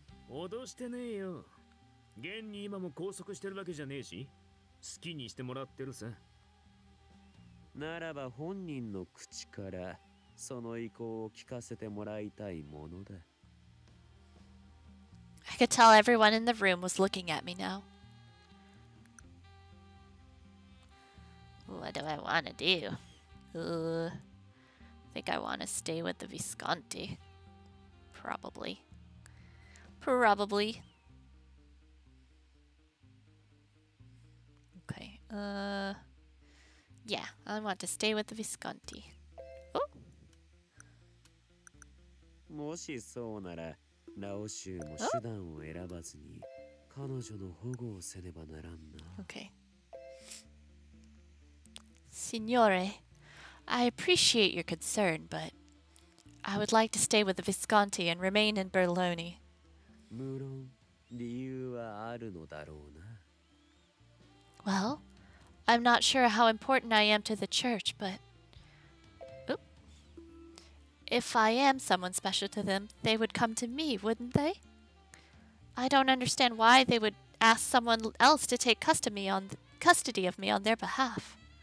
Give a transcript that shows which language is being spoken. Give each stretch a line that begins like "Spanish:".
Japanese: 脅してねえよ。現に今も拘束してるわけじゃねえし、好きにしてもらってるさ。ならば本人の口からその意向を聞かせてもらいたいものだ。
English: I could tell everyone in the room was looking at me now. What do I want to do? I think I want to stay with the Visconti. Probably. Probably. Okay. Yeah, I want to stay with the Visconti. Oh!
Japanese: もしそうなら、ラオシューも手段を選ばずに彼女の保護をせねばならんな。
English: Okay. Signore, I appreciate your concern, but I would like to stay with the Visconti and remain in Berlone.
Japanese: 無論、理由はあるのだろうな。
English: Well, I'm not sure how important I am to the church, but... If I am someone special to them, they would come to me, wouldn't they? I don't understand why they would ask someone else to take custody of me on their behalf.